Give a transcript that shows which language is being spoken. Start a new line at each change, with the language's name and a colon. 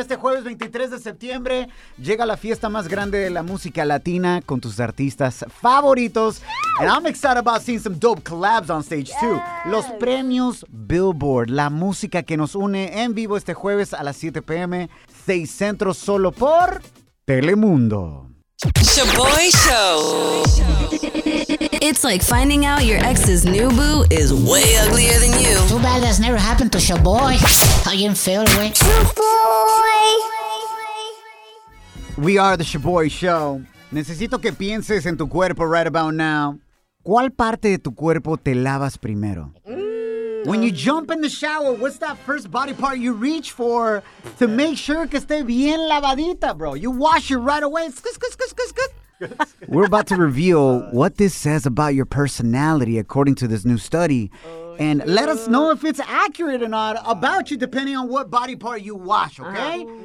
Spanish: Este jueves 23 de septiembre llega la fiesta más grande de la música latina con tus artistas favoritos.
English: Yes. And I'm excited about seeing some dope collabs on stage, yes, too.
Spanish: Los premios Billboard, la música que nos une en vivo este jueves a las 7 p.m. 6 Centro, solo por Telemundo.
English: Shaboy Show. It's like finding out your ex's new boo is way uglier than you. Too bad that's never happened to Shaboy. How you feel, boy? Shaboy! We are the Shaboy Show.
Spanish: Necesito que pienses en tu cuerpo
English: right about now.
Spanish: ¿Cuál parte de tu cuerpo te lavas primero?
English: When you jump in the shower, what's that first body part you reach for to make sure
Spanish: que esté bien lavadita,
English: bro? You wash it right away. Good. We're about to reveal what this says about your personality according to this new study. And let us know if it's accurate or not about you depending on what body part you wash, okay?